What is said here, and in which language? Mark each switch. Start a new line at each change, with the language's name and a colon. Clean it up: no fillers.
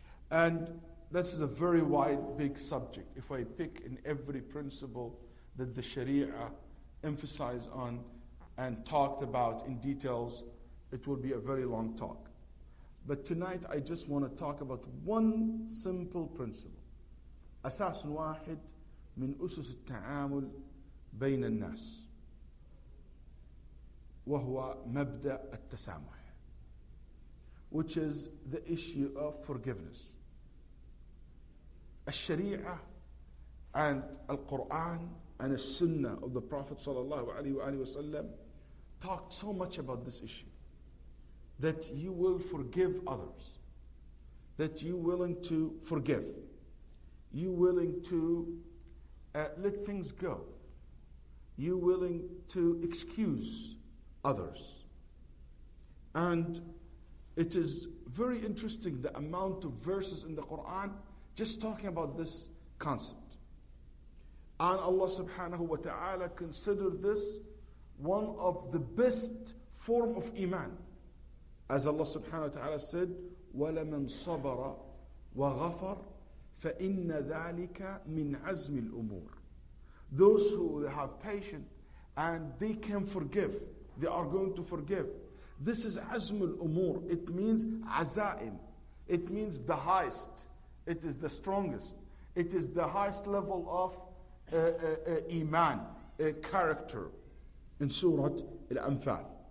English: And this is a very wide, big subject. If I pick in every principle that the Sharia emphasized on and talked about in details, it will be a very long talk. But tonight I just want to talk about one simple principle.
Arabic: أساس واحد من أسس التعامل بين الناس وهو مبدأ التسامح,
English: which is the issue of forgiveness. الشريعة and القرآن and السنة of the Prophet صلى الله عليه وآله وسلم talked so much about this issue, that you will forgive others, that you're willing to forgive, you're willing to let things go, you're willing to excuse others. And it is very interesting the amount of verses in the Quran just talking about this concept. And Allah subhanahu wa ta'ala considered this one of the best form of iman. As Allah subhanahu wa ta'ala said,
Arabic: وَلَمَنْ صَبَرَ وَغَفَرَ فَإِنَّ ذَٰلِكَ مِنْ عَزْمِ الْأُمُورِ.
English: Those who have patience and they can forgive, they are going to forgive. This is عزم الأمور. It means عزائم. It means the highest. It is the strongest. It is the highest level of iman, character, in Surah Al-Anfal.